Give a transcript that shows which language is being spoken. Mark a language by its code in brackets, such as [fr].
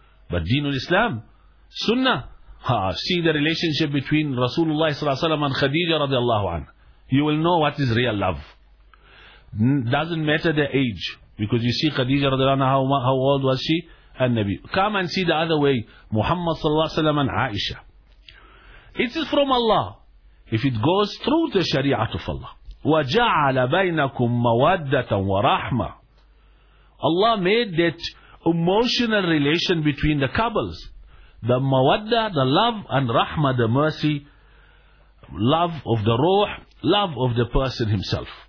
[en] But Deenul Islam, Sunnah, see the relationship between Rasulullah sallallahu alaihi wasallam and Khadija radiallahu anha. You will know what is real love. Doesn't matter the age, because you see Khadija radiallahu anha, how old was she? [ar] النبي. [en] Come and see the other way. Muhammad صلى الله عليه وسلم and Aisha. It is from Allah. If it goes through the Sharia of Allah. [ar] وَجَعَلَ بَيْنَكُمْ مَوَدَّةً وَرَحْمَةً. [en] Allah made that emotional relation between the couples. The mawadda, the love, and rahma, the mercy. Love of the ruh, love of the person himself.